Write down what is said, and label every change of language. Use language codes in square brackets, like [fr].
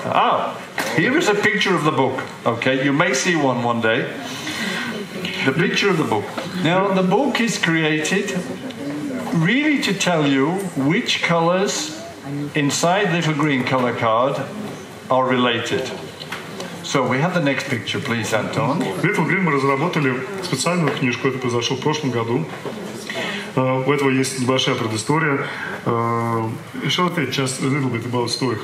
[en] Ah, here is a picture of the book. Okay, you may see one day. The picture of the book. Now, the book is created really to tell you which colors inside Little Green color card are related. So, we have the next picture, please, Anton. [ru] Little Green мы разработали специальную книжку, это произошло в прошлом году. У этого есть небольшая предыстория. [en] Shall I tell you just a little bit about the story?